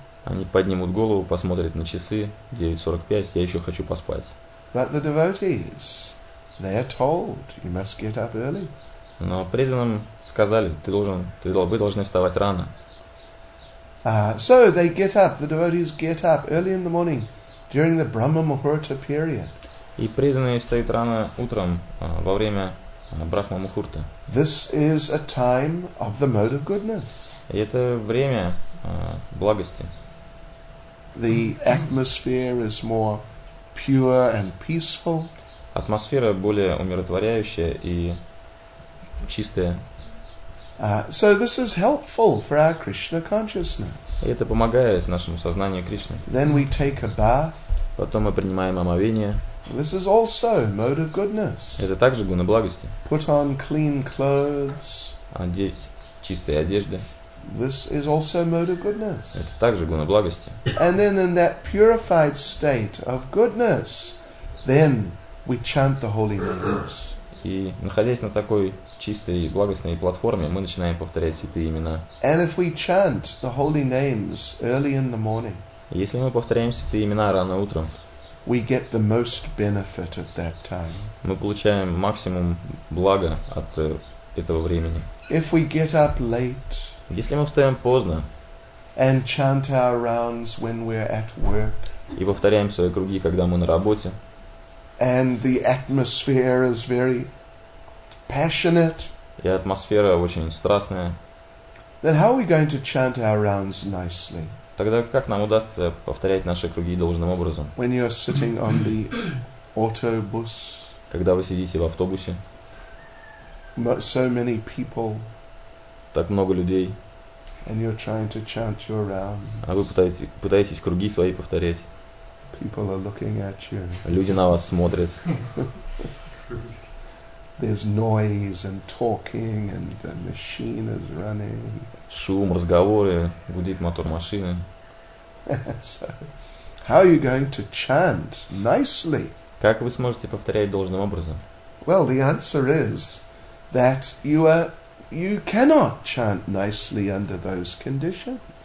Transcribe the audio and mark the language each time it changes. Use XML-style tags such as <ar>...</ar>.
<ru>Они поднимут голову, посмотрят на часы. 9:45. Я еще хочу поспать.</ru> <en>But the devotees, they are told, you must get up early.</en> <ru>Но преданным сказали, вы должны вставать рано.</ru> <en>So they get up. The devotees get up early in the morning during the Brahma Muhurta period.</en> <ru>И преданные встают рано утром во время Брахма Мухурта.</ru> <en>This is a time of the mode of goodness.</en> <ru>И это время благости.</ru> <en>The atmosphere is more pure and peaceful.</en> <ru>Атмосфера более умиротворяющая и чистая.</ru> <en>So this is helpful for our Krishna consciousness.</en> <ru>И это помогает нашему сознанию Кришны.</ru> <en>Then we take a bath.</en> <ru>Потом мы принимаем омовение.</ru> <en>This is also mode of goodness.</en> <ru>Это также гуна благости.</ru> <en>Put on clean clothes.</en> <ru>Одеть чистые одежды.</ru> <en>This is also mode of goodness.</en> <ru>Это также гуна благости.</ru> <en>And then in that purified state of goodness, then we chant the holy names.</en> <ru>И находясь на такой чистой и благостной платформе, мы начинаем повторять святые имена.</ru> <en>And if we chant the holy names early in the morning,</en> <ru>если мы повторяем святые имена рано утром,</ru> <en>we get the most benefit at that time.</en> <ru>Мы получаем максимум блага от этого времени.</ru> <en>If we get up late,</en> <ru>если мы встаем поздно,</ru> <en>and chant our rounds when we're at work,</en> <ru>и повторяем свои круги, когда мы на работе,</ru> <en>and the atmosphere is very passionate,</en> <ru>и атмосфера очень страстная,</ru> <en>then how are we going to chant our rounds nicely?</en> <ru>Тогда как нам удастся повторять наши круги должным образом?</ru> <en>When you are sitting on the autobus,</en> <ru>когда вы сидите в автобусе,</ru> <en>so many people,</en> <ru>так много людей,</ru> <en>and you're trying to chant your rounds,</en> <ru>а вы пытаетесь круги свои повторять,</ru> <en>people are looking at you,</en> <ru>люди на вас смотрят.</ru> <en>There's noise and talking, and the machine is running.</en> <ru>Шум, разговоры, гудит мотор машины.</ru> <en>So, how are you going to chant nicely?</en> <ru>Как вы сможете повторять должным образом?</ru> <en>Well, the answer is that you cannot chant nicely under those conditions.</en>